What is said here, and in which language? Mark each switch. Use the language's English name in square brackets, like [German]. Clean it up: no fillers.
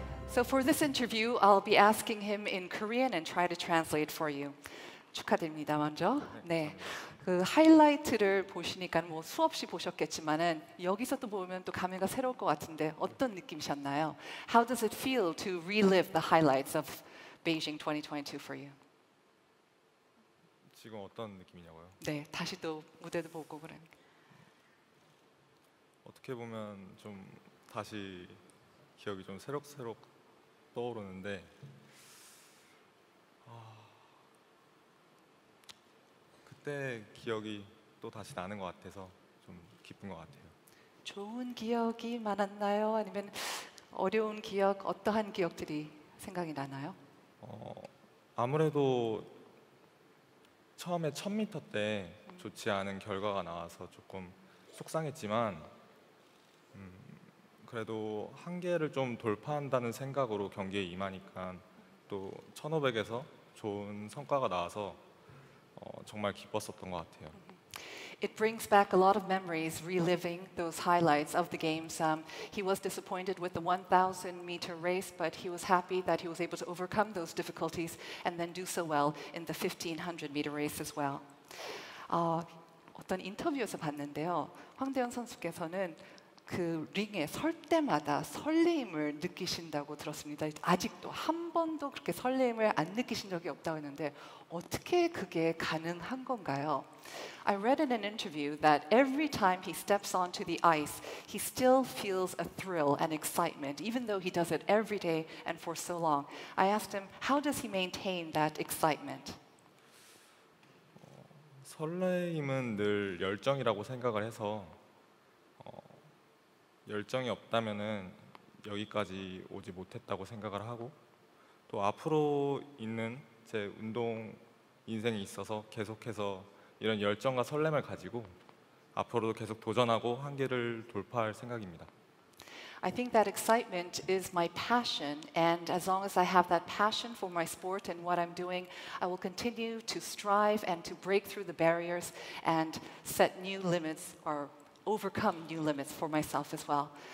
[English] So for this interview, I'll be asking him in Korean and try to translate for you. [Korean] 축하드립니다, 먼저. 네, 그 하이라이트를 보시니까 뭐 수없이 보셨겠지만은 여기서 또 보면 또 감회가 새로울 것 같은데 어떤 느낌이셨나요? [English] How does it feel to relive the highlights of Beijing 2022 for you? [Korean] 지금 어떤 느낌이냐고요? 네, 다시 또 무대도 보고 그래. 어떻게 보면 좀 다시 기억이 좀 새록새록 떠오르는데 그때 기억이 또 다시 나는 것 같아서 좀 기쁜 것 같아요. 좋은 기억이 많았나요? 아니면 어려운 기억, 어떠한 기억들이 생각이 나나요? 아무래도 처음에 1000m 때 좋지 않은 결과가 나와서 조금 속상했지만 그래도 한계를 좀 돌파한다는 생각으로 경기에 임하니까 또 1500에서 좋은 성과가 나와서 정말 기뻤었던 것 같아요. [English] It brings back a lot of memories reliving those highlights of the games. He was disappointed with the 1000-meter race, but he was happy that he was able to overcome those difficulties and then do so well in the 1500-meter race as well. [Korean] 어떤 인터뷰에서 봤는데요. 황대현 선수께서는 그 링에 설 때마다 설레임을 느끼신다고 들었습니다. 아직도 한 번도 그렇게 설레임을 안 느끼신 적이 없다고 했는데 어떻게 그게 가능한 건가요? [English] I read in an interview that every time he steps onto the ice, he still feels a thrill and excitement, even though he does it every day and for so long. I asked him, how does he maintain that excitement? [Korean] 설레임은 늘 열정이라고 생각을 해서 열정이 없다면은 여기까지 오지 못했다고 생각을 하고 또 앞으로 있는 제 운동 인생에 있어서 계속해서 이런 열정과 설렘을 가지고 앞으로도 계속 도전하고 한계를 돌파할 생각입니다. [English] I think that excitement is my passion, and as long as I have that passion for my sport and what I'm doing, I will continue to strive and to break through the barriers and set new limits or overcome new limits for myself as well.